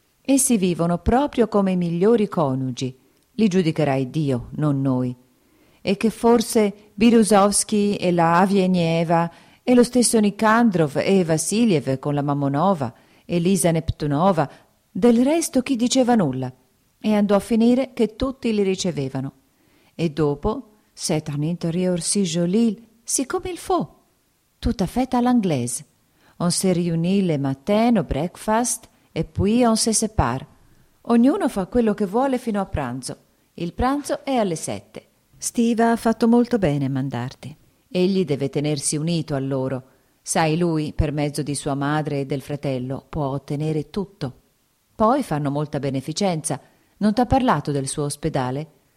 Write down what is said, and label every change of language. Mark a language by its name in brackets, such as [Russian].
[Italian] Essi vivono proprio come i migliori coniugi, li giudicherai Dio, non noi. E che forse Biruzovsky e la Avienieva e lo stesso Nikandrov e Vasiliev con la Mamonova e Lisa Neptunova, del resto chi diceva nulla, e andò a finire che tutti li ricevevano. E dopo, [French] c'est un intérieur si joli, si come il faut, tutta fête à l'anglaise. On se réunit le matin au breakfast, et puis on se sépare. [Italian] Ognuno fa quello che vuole fino a pranzo. Il pranzo è alle 7. Steve ha fatto molto bene a mandarti. Egli deve tenersi unito a loro. Sai, lui, per mezzo di sua madre e del fratello, può ottenere tutto. Poi fanno molta beneficenza. Non t'ha parlato del suo ospedale?